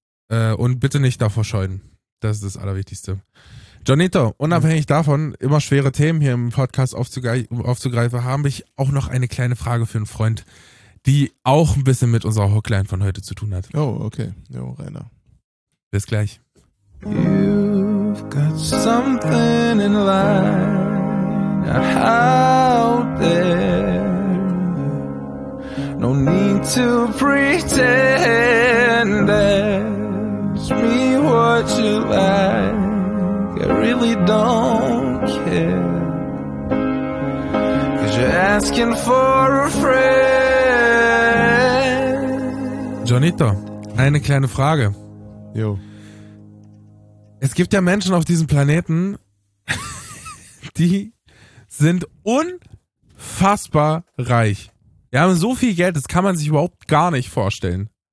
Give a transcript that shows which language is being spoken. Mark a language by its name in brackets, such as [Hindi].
[German] Und bitte nicht davor scheuen. Das ist das Allerwichtigste. Jonito, unabhängig davon, immer schwere Themen hier im Podcast aufzugreifen, habe ich auch noch eine kleine Frage für einen Freund, die auch ein bisschen mit unserer Hookline von heute zu tun hat. Oh, okay. Jo, Rainer. Bis gleich. [English] You've got something in line out there. No need to pretend. Ask me what you like. I really don't care, 'cause you're asking for a friend. [German] Jonito, eine kleine Frage. Jo. Es gibt ja Menschen auf diesem Planeten, die sind unfassbar reich. Wir haben so viel Geld, das kann man sich überhaupt gar nicht vorstellen.